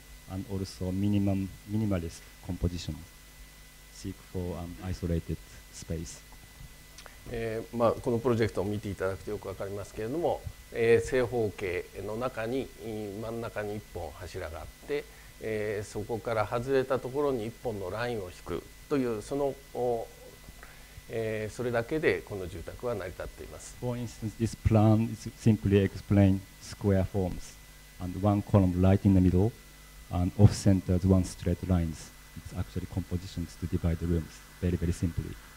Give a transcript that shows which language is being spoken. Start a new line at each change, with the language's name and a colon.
English: And also minimalist composition, seek for isolated space.
Japanese: このプロジェクトを見ていただくとよくわかりますけれども、正方形の中に真ん中に一本柱があって、そこから外れたところに一本のラインを引くというその、それだけでこの住宅は成り立っています。
English: For instance, this plan is simply explain square forms and one column right in the middle. And off-centered one straight lines. It's actually compositions to divide the rooms very, very simply.